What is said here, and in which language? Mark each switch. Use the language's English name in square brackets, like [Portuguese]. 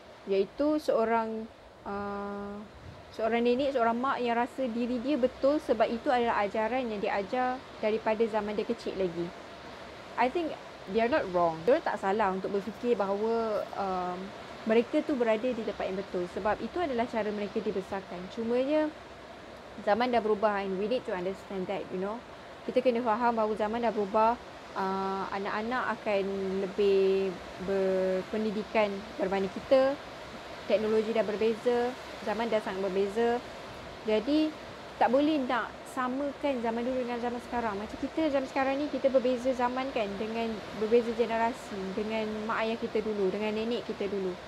[Malay] Iaitu seorang seorang nenek, seorang mak yang rasa diri dia betul sebab itu adalah ajaran yang dia ajar daripada zaman dia kecil lagi. I think they are not wrong. Mereka tak salah untuk berfikir bahawa mereka tu berada di tempat yang betul. Sebab itu adalah cara mereka dibesarkan. [English] Cumanya zaman dah berubah and we need to understand that, you know. [Malay] Kita kena faham bahawa zaman dah berubah. Anak-anak akan lebih berpendidikan berbanding kita. Teknologi dah berbeza. Zaman dah sangat berbeza. Jadi tak boleh nak samakan zaman dulu dengan zaman sekarang. Macam kita zaman sekarang ni, kita berbeza zaman kan, dengan berbeza generasi, dengan mak ayah kita dulu, dengan nenek kita dulu.